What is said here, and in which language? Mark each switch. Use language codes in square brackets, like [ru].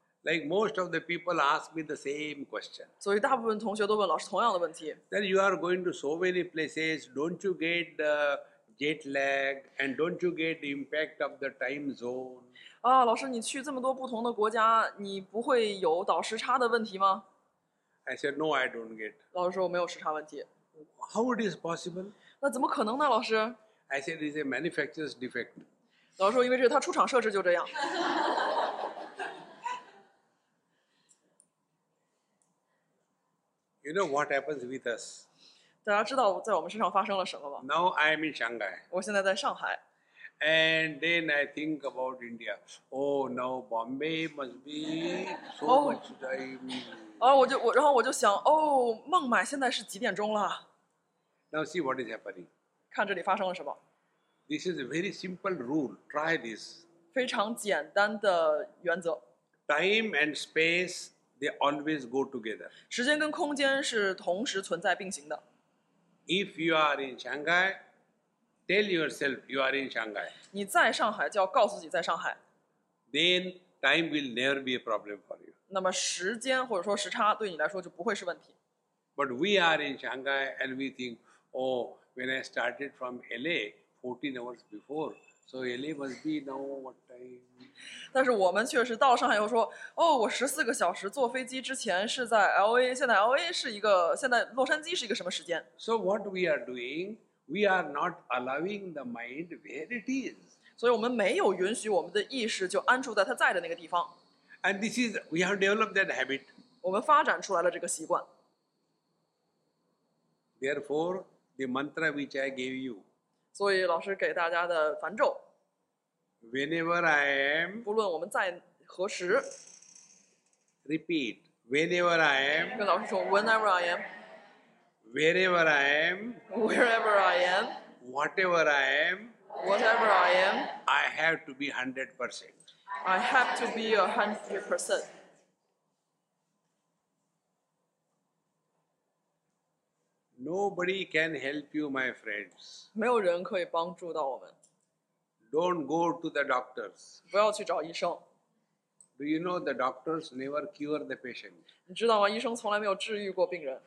[en] Like most of the people ask me the same question. [zh] 所以大部分同学都问老师同样的问题。 [en] Then you are going to so many places, don't you get the jet lag and don't you get the impact of the time zone? [zh] 啊，老师，你去这么多不同的国家，你不会有倒时差的问题吗？ [en] I said no, I don't get. [zh] 老师说我没有时差问题。 [en] How it is possible? [zh] 那怎么可能呢，老师？ [en] I said it's a manufacturer's defect. [zh] 老师说因为这是他出厂设置就这样。 [en] You know what happens with us? [zh] 大家知道在我们身上发生了什么吗？ [en] Now I'm in Shanghai. [zh] 我现在在上海。 [en] And then I think about India. Oh, now Bombay must be so much time. [zh] 然后我就想，哦，孟买现在是几点钟了？ [en] Now see what is happening. [zh] 看这里发生了什么？ [en] This is a very simple rule. Try this. [zh] 非常简单的原则。 [en] Time and space. They always go together. [zh] 时间跟空间是同时存在并行的。 [en] If you are in Shanghai, tell yourself you are in Shanghai. [zh] 你在上海就要告诉自己在上海。 [en] Then time will never be a problem for you. [zh] 那么时间或者说时差对你来说就不会是问题。 [en] But we are in Shanghai and we think, oh, when I started from LA 14 hours before, so LA must be now what time? [zh] 但是我们确实到上海又说，哦，我十四个小时坐飞机之前是在 LA， 现在 LA 是一个，现在洛杉矶是一个什么时间 [en] ？So what we are doing? We are not allowing the mind where it is. [zh] 所以我们没有允许我们的意识就安住在它在的那个地方。 [en] And this is we have developed that habit. [zh] 我们发展出来了这个习惯。 [en] Therefore, the mantra which I gave you. [zh] 所以老师给大家的梵咒。 [en] Whenever I am, [zh] 不论我们在何时 [en] ，repeat. Whenever I am, [zh] 跟老师说 ， [en] whenever I am. Wherever I am, wherever I am. Whatever I am, whatever I am. I have to be 100%. I have to be 100%. Nobody can help you, my friends. [zh] 没有人可以帮助到我们。 [en] Don't go to the doctors. [zh] 不要去找医生。 [en] Do you know the doctors never cure the patient? [zh] 你知道吗？医生从来没有治愈过病人。